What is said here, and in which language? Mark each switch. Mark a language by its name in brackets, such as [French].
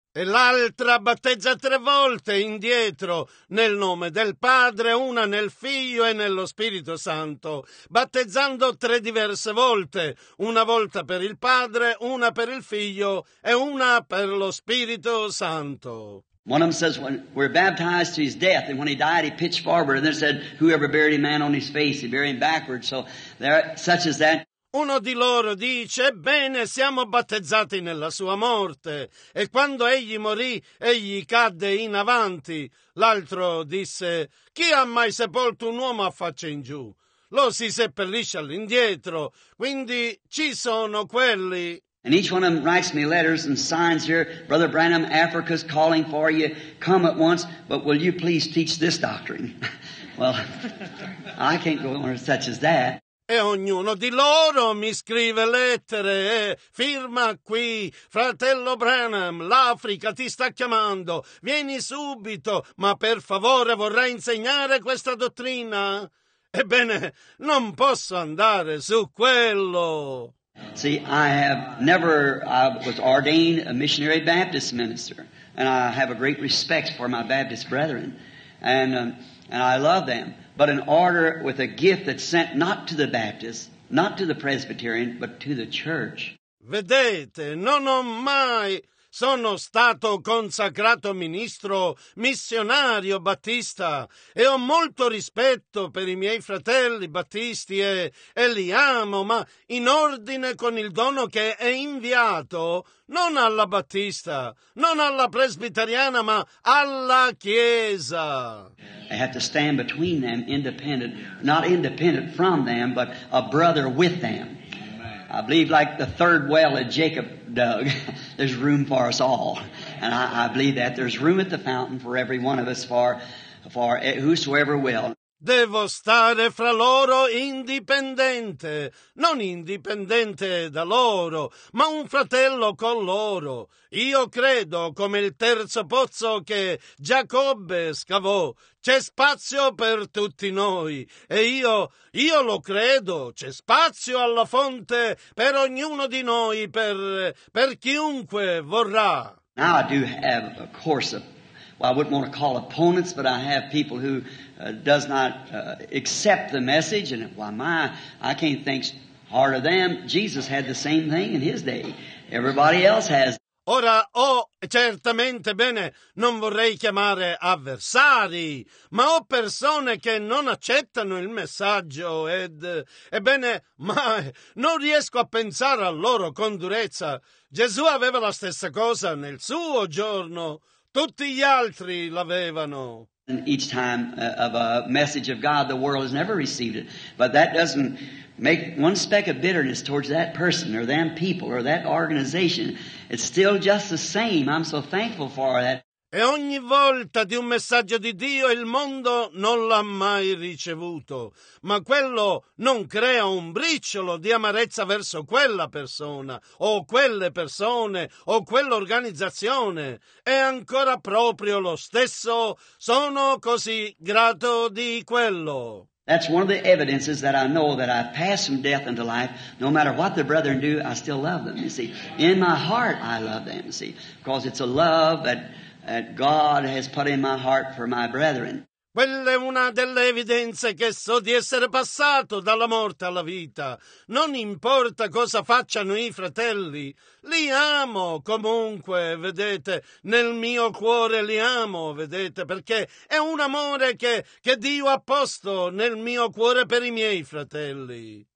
[Italian] E l'altra battezza tre volte indietro nel nome del Padre, una nel Figlio e nello Spirito Santo, battezzando tre diverse volte, una volta per il Padre, una per il Figlio e una per lo Spirito Santo. [English] One of them says when we're baptized to his death, and when he died, he pitched forward, and they said, whoever buried a man on his face, he buried him backwards. So there, such as that. [Italian] Uno di loro dice, ebbene, siamo battezzati nella sua morte, e quando egli morì, egli cadde in avanti. L'altro disse, chi ha mai sepolto un uomo a faccia in giù? Lo si seppellisce all'indietro, quindi ci sono quelli. [English] And each one of them writes me letters and signs here, Brother Branham, Africa's calling for you, come at once, but will you please teach this doctrine? Well, I can't go on such as that. [Italian] E ognuno di loro mi scrive lettere e firma qui, fratello Branham, l'Africa ti sta chiamando, vieni subito, ma per favore vorrei insegnare questa dottrina. Ebbene, non posso andare su quello. [English] See, I was ordained a missionary Baptist minister, and I have a great respect for my Baptist brethren, and I love them. But an order with a gift that's sent not to the Baptist, not to the Presbyterian, but to the church. [Italian] Vedete, non ho mai sono stato consacrato ministro, missionario battista, e ho molto rispetto per i miei fratelli battisti e li amo, ma in ordine con il dono che è inviato non alla battista, non alla presbiteriana, ma alla chiesa. [English] I have to stand between them independent, not independent from them, but a brother with them. I believe like the third well that Jacob dug, there's room for us all. And I believe that there's room at the fountain for every one of us, for whosoever will. [Italian] Devo stare fra loro indipendente, non indipendente da loro, ma un fratello con loro. Io credo come il terzo pozzo che Giacobbe scavò. C'è spazio per tutti noi. E io lo credo. C'è spazio alla fonte per ognuno di noi, per chiunque vorrà. [English] Now I do have a course of, well, I wouldn't want to call opponents, but I have people who does not accept the message. And why, my, I can't think hard of them. Jesus had the same thing in his day. Everybody else has. [Italian] Ora, oh, certamente, bene, non vorrei chiamare avversari, ma ho persone che non accettano il messaggio ed, ebbene, ma non riesco a pensare a loro con durezza. Gesù aveva la stessa cosa nel suo giorno, tutti gli altri l'avevano. [English] each time of a message of God, the world has never received it. But that doesn't make one speck of bitterness towards that person or them people or that organization. It's still just the same. I'm so thankful for that. [Italian] E ogni volta di un messaggio di Dio il mondo non l'ha mai ricevuto, ma quello non crea un briciolo di amarezza verso quella persona o quelle persone o quell'organizzazione. È ancora proprio lo stesso. Sono così grato di quello. [English] That's one of the evidences that I know that I've passed from death into life. No matter what the brethren do, I still love them. You see, in my heart I love them, you see, because it's a love that God has put in my heart for my brethren. [Italian] Quella è una delle evidenze che so di essere passato dalla morte alla vita. Non importa cosa facciano i fratelli, li amo comunque, vedete, nel mio cuore li amo, vedete, perché è un amore che Dio ha posto nel mio cuore per i miei fratelli.